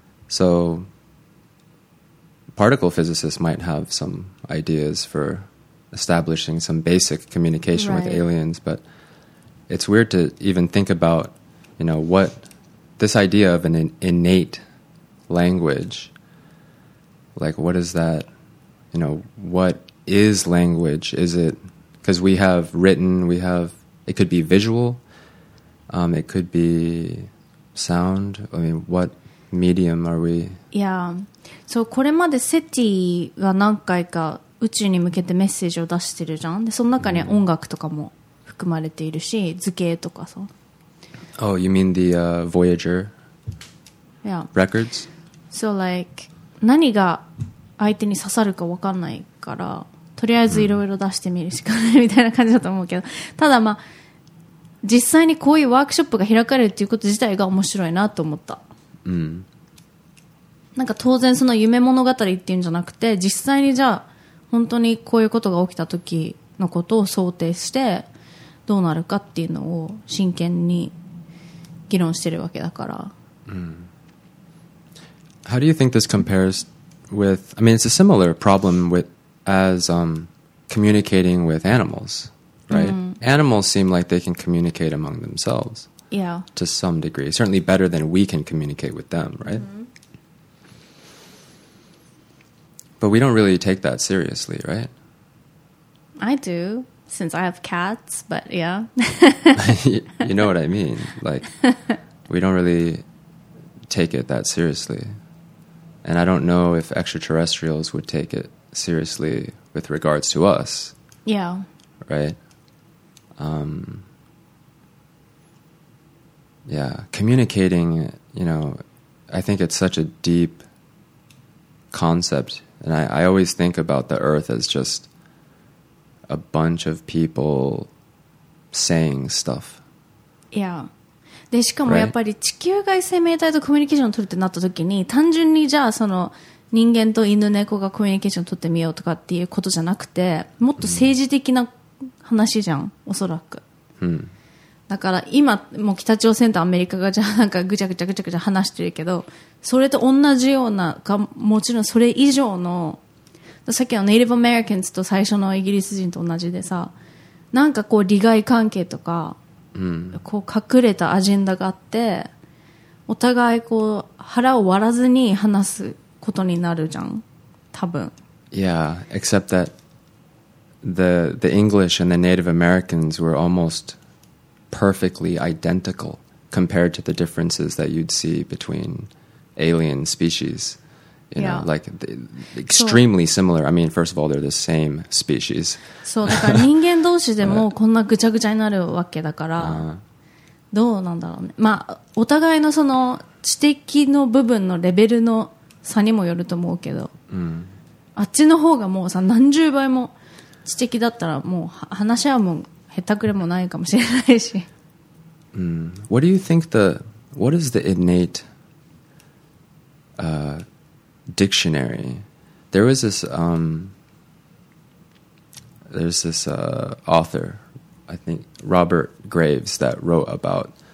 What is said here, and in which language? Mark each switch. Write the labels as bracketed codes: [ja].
[en] So particle physicists might have some ideas for establishing some basic communication with aliens, but it's weird to even think about, you know, what this idea of an innate language, like what is that, you know, what is language? Is it, because we have written, we have, it could be visual, it could be sound. I mean, what medium are we? Yeah. [ja] So, これまでSETIが何回か宇宙に向けてメッセージを出してるじゃん。で、その中に音楽とかも含まれているし、図形とかさ。 [en] Oh, you mean the Voyager? Yeah. Records? So, like, [ja] 何が相手に刺さるか分かんないから、とりあえずいろいろ出してみるしかないみたいな感じだと思うけど、ただまあ、実際にこういうワークショップが開かれるっていうこと自体が面白いなと思った。なんか当然その夢物語っていうんじゃなくて、実際にじゃあ、本当にこういうことが起きた時のことを想定してどうなるかっていうのを真剣に議論してるわけだから。 [en] How do you think this compares with? I mean, it's a similar problem with as communicating with animals, right? Animals seem like they can communicate among themselves, yeah, to some degree. Certainly better than we can communicate with them, right? But we don't really take that seriously, right? I do, since I have cats, but yeah. You know what I mean. Like, we don't really take it that seriously. And I don't know if extraterrestrials would take it seriously with regards to us. Yeah. Right? Yeah, communicating, you know, I think it's such a deep concept. And I always think about the Earth as just a bunch of people saying stuff. Yeah. [ja] で、しかもやっぱり地球外生命体とコミュニケーションを取るってなった時に、単純にじゃあその人間と犬猫がコミュニケーションを取ってみようとかっていうことじゃなくて、もっと政治的な話じゃん、おそらく。だから今もう北朝鮮とアメリカがじゃあなんかぐちゃぐちゃ話してるけど、それと同じようなか、もちろんそれ以上の、さっきのネイティブアメリカンズと最初のイギリス人と同じでさ、なんかこう利害関係とか、こう隠れたアジェンダがあって、お互いこう腹を割らずに話すことになるじゃん、多分。 [en] Yeah, except that the English and the Native Americans were almost perfectly identical compared to the differences that you'd see between alien species, you know, like extremely similar. I mean, first of all, they're the same species. [ja] そう、だから人間同士でもこんなぐちゃぐちゃになるわけだから、どうなんだろうね。まあ、お互いのその知的の部分のレベルの差にもよると思うけど、あっちの方がもうさ、何十倍も知的だったらもう話し合うもん。 [en] What do you think the what is the innate dictionary? There was this author, I think Robert Graves, that wrote about